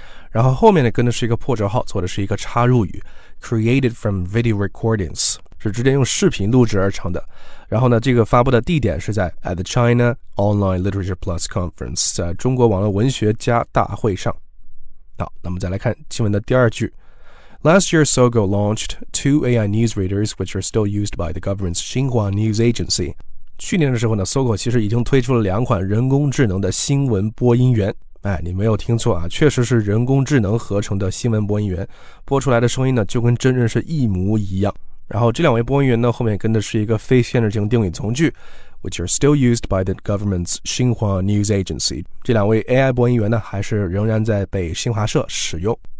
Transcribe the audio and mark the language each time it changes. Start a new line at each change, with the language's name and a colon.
Chinese: 然后后面呢跟的是一个破折号，做的是一个插入语
English: created from video recordings，
Chinese: 是直接用视频录制而成的。然后呢这个发布的地点是在
English: at the China Online Literature Plus Conference，
Chinese: 在中国网络文学家大会上。好，那么再来看新闻的第二句。
English: Last year, Sogou launched two AI news readers, which are still used by the government's Xinhua News Agency.
Chinese: 去年的时候呢 Sogou 其实已经推出了两款人工智能的新闻播音员。哎，你没有听错啊，确实是人工智能合成的新闻播音员。播出来的声音呢就跟真人是一模一样。然后这两位播音员呢后面跟的是一个非限制性定语从句
English: which are still used by the government's Xinhua News Agency，
Chinese: 这两位 AI 播音员呢还是仍然在被新华社使用。